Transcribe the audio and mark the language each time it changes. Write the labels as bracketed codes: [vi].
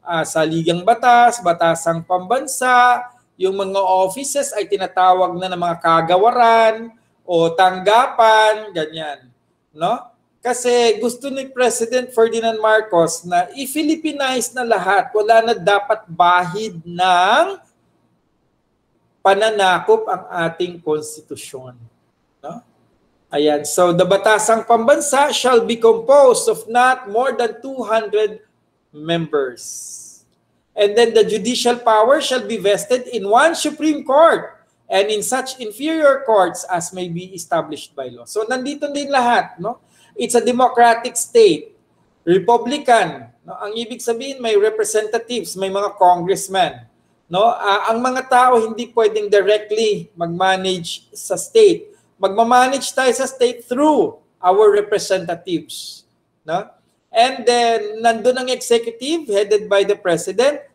[tl] Saligang batas, batasang pambansa, yung mga offices ay tinatawag na ng mga kagawaran o tanggapan, ganyan, no? Kasi gusto ni President Ferdinand Marcos na i-Filipinize na lahat. Wala na dapat bahid ng pananakop ang ating konstitusyon. No? Ayan. [en] So, the Batasang Pambansa shall be composed of not more than 200 members. And then the judicial power shall be vested in one Supreme Court and in such inferior courts as may be established by law. [tl] So, nandito din lahat, no? [en] It's a democratic state, Republican. No? [tl] Ang ibig sabihin, may representatives, may mga congressmen. No? Ang mga tao hindi pwedeng directly mag-manage sa state. Magmamanage tayo sa state through our representatives. No? [en] And then, [tl] nandun ang [en] executive headed by the president.